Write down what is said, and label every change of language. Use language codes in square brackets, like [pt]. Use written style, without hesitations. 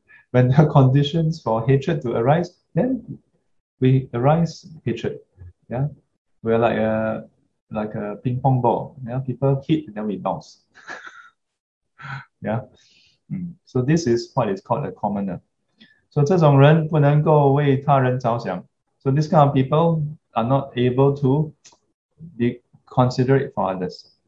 [en] When there are conditions for hatred to arise, then we arise hatred. Yeah. We are like a ping pong ball. Yeah. People hit, then we bounce. Yeah, so this is what is called a commoner. [zh] So 这种人不能够为他人着想. [en] So this kind of people are not able to be considerate for others.